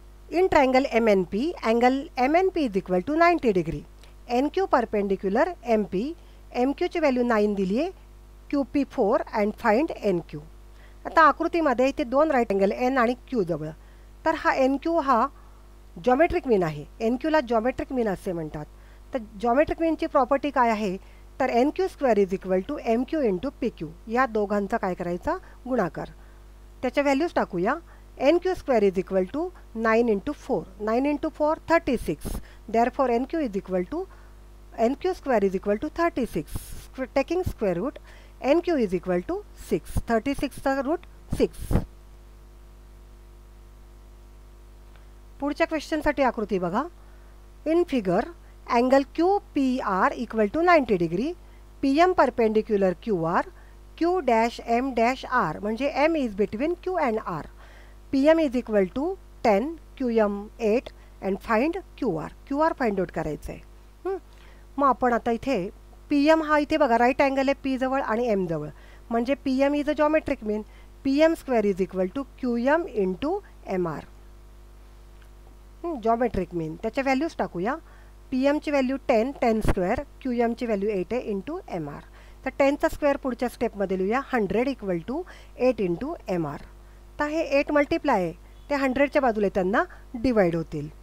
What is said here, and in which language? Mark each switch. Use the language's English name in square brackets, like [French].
[English] In triangle M N P, angle M N P is equal to 90 degree. N Q perpendicular M P, [Marathi] M क्यूची value 9 दिली आहे, [English] Q P 4, and find N Q. [Marathi] आता आकृतीमध्ये इथे 2 right angle N आणि Q जवळ, तर हा N Q हा जॉमेट्रिक मीन आहे. एन क्यूला जॉमेट्रिक मीन असे म्हणतात. तर जॉमेट्रिक मीनची प्रॉपर्टी काय आहे? [English] तर N Q square is equal to M Q into P Q. [Marathi] या दोघांचा काय करायचा? गुणाकार. त्याच्या व्हॅल्यूज टाकूया. [English] N Q square is equal to 9 × 4 9 × 4 = 36. Therefore N Q is equal to N Q square = 36. Taking square root N Q is equal to 6. 36 root 6. [Marathi] पुढच्या क्वेश्चनसाठी आकृती बघा. [English] In figure angle Q P R equal to 90 degree, P M perpendicular Q R, Q dash M dash R म्हणजे M is between Q and R, P M is equal to 10, Q M 8, and find Q R. [Marathi] Q R find out करायचं आहे. मग आपण आता इथे P M हा इथे बघा राईट अँगल आहे पी जवळ आणि एम जवळ, म्हणजे [English] P M is a geometric mean. P M square is equal to Q M into M R. [Marathi] Geometric मीन, त्याच्या व्हॅल्यूज टाकूया. पी एमची व्हॅल्यू 10 10² क्यू एमची व्हॅल्यू 8 आहे इंटू एम आर. तर 10चा स्क्वेअर पुढच्या स्टेपमध्ये लिहूया, 100 = 8 × MR. तर हे 8 मल्टिप्लाय आहे, ते 100च्या बाजूला त्यांना डिवाइड होतील.